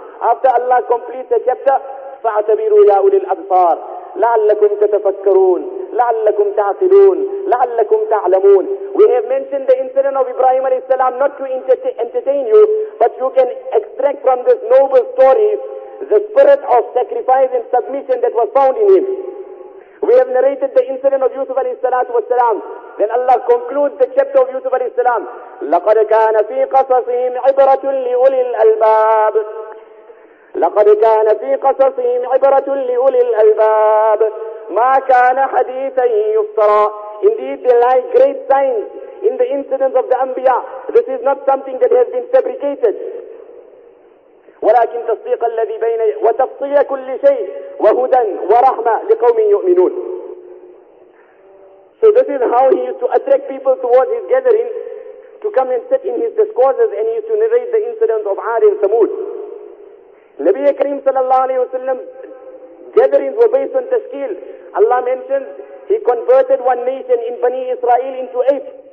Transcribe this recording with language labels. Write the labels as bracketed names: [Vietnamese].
[English] After Allah completes the chapter, [Arabic] فَاعْتَبِرُوا يَا أُولِي الْأَبْصَارِ لَعَلَّكُمْ تَتَفَكَّرُونَ لَعَلَّكُمْ تَعْقِلُونَ لَعَلَّكُمْ تَعْلَمُونَ [English] We have mentioned the incident of Ibrahim alayhi salam not to entertain you, but you can extract from this noble story the spirit of sacrifice and submission that was found in him. We have narrated the incident of Yusuf alayhi salatu wasalam. Then Allah concludes the chapter of Yusuf alayhi salam. [Arabic] لَقَدْ كَانَ فِي قَصَصِهِمْ عِبْرَةٌ لِأُولِي الْأَلْبَابِ لَقَدْ كَانَ فِي قَصَصِهِمْ عِبْرَةٌ لِأُولِي الْأَلْبَابِ مَا كَانَ حَدِيثًا يُفْتَرَى [English] Indeed, they lie great signs in the incidents of the Anbiya. This is not something that has been fabricated. [Arabic] ولكن تصديق الذي بين وتفصيل كل شيء وهدى ورحمة لقوم يؤمنون. [English] So this is how he used to attract people towards his gathering to come and sit in his discourses and he used to narrate the incident of Aad and Thamud. Nabi Kareem sallallahu alayhi wa sallam, gatherings were based on tashkil. Allah mentions, he converted one nation in Bani Israel into eight.